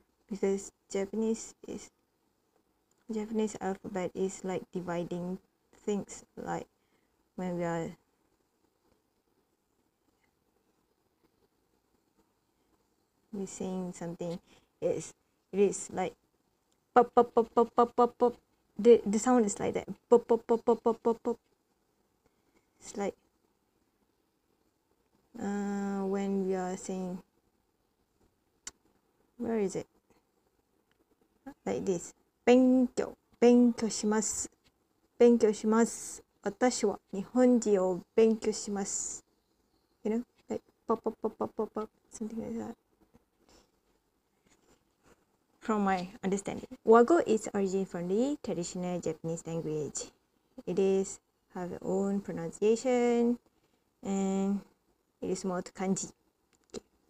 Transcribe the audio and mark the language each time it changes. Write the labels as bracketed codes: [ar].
[en] Because Japanese alphabet is like dividing things, like when we are we're saying something, it is like pop pop pop pop pop pop pop. The sound is like that. Pop pop pop pop pop pop pop. It's like when we are saying, where is it? Like this. [ja] 勉強します。勉強します。私は日本人を勉強します。 [en] You know, like pop pop pop pop pop pop, something like that. From my understanding, Wago is origin from the traditional Japanese language. It is have its own pronunciation, and it is more to kanji. Okay.